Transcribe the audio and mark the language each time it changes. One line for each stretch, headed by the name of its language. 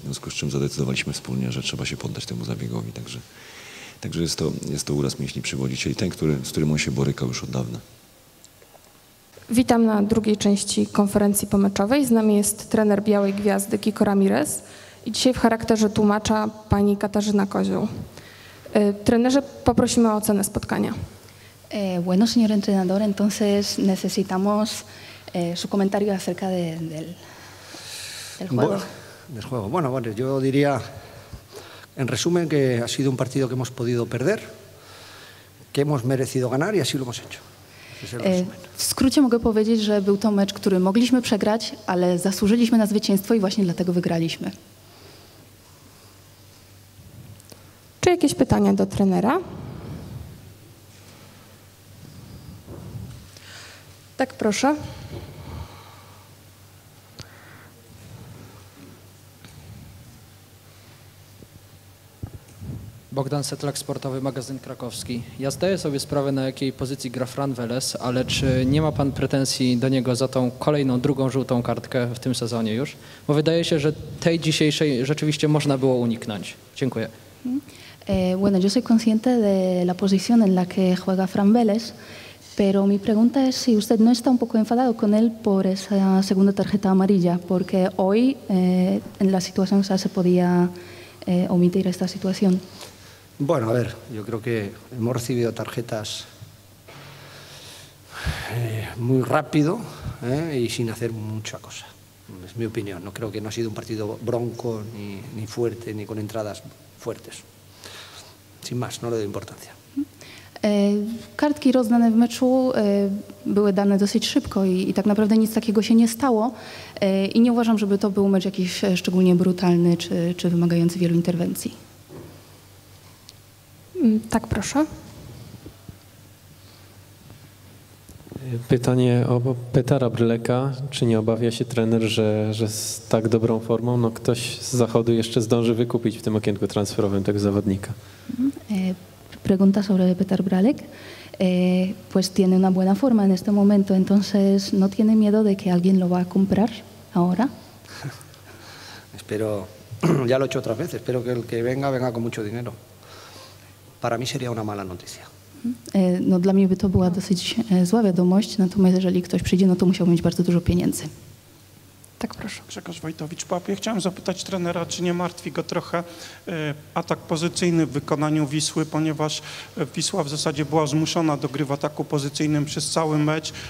Polish: W związku z czym zadecydowaliśmy wspólnie, że trzeba się poddać temu zabiegowi. Także jest to uraz mięśni przywodzicieli, ten, z którym on się borykał już od dawna. Witam na drugiej części konferencji pomeczowej. Z nami jest trener Białej Gwiazdy Kiko Ramirez i dzisiaj w charakterze tłumacza pani Katarzyna Kozioł. Trenerze, poprosimy o ocenę spotkania.
Spanish: Bueno, señor entrenador, entonces necesitamos su comentario acerca del juego. Bueno, yo diría, en resumen, que ha sido un partido que hemos podido perder, que hemos merecido ganar y así lo hemos hecho.
Polish: W skrócie mogę powiedzieć, że był to mecz, który mogliśmy przegrać, ale zasłużyliśmy na zwycięstwo i właśnie dlatego wygraliśmy. Czy jakieś pytania do trenera? Tak, proszę. Bogdan Setlak, Sportowy Magazyn Krakowski. Ja zdaję sobie sprawę, na jakiej pozycji gra Fran Weles, ale czy nie ma pan pretensji do niego za tą kolejną, drugą żółtą kartkę w tym sezonie już? Bo wydaje się, że tej dzisiejszej rzeczywiście można było uniknąć. Dziękuję.
Spanish: Bueno, yo soy consciente de la posición en la que juega Fran Weles, pero mi pregunta es si usted no está un poco enfadado con él por esa segunda tarjeta amarilla, porque hoy en la situación o sea, se podía omitir esta situación. Bueno, a ver, yo creo que hemos recibido tarjetas muy rápido y sin hacer mucha cosa. Es mi opinión, no creo que no ha sido un partido bronco ni fuerte, ni con entradas fuertes. Sin más, no le doy importancia.
Polish: Kartki rozdane w meczu były dane dosyć szybko i tak naprawdę nic takiego się nie stało. I nie uważam, żeby to był mecz jakiś szczególnie brutalny czy wymagający wielu interwencji. Tak, proszę. Pytanie o Petera Bryleka. Czy nie obawia się trener, że z tak dobrą formą no ktoś z zachodu jeszcze zdąży wykupić w tym okienku transferowym tego zawodnika?
Spanish: Pregunta sobre Petar Bralek, pues tiene una buena forma en este momento, entonces ¿no tiene miedo de que alguien lo va a comprar ahora? Espero, ya lo he hecho otras veces, espero que el que venga, venga con mucho dinero. Para mí sería una mala noticia.
Polish: No, dla mnie by to była dosyć zła wiadomość, natomiast jeżeli ktoś przyjdzie, no to musiał mieć bardzo dużo pieniędzy. Tak, proszę. Grzegorz Wojtowicz, PAP. Ja chciałem zapytać trenera, czy nie martwi go trochę atak pozycyjny w wykonaniu Wisły, ponieważ Wisła w zasadzie była zmuszona do gry w ataku pozycyjnym przez cały mecz.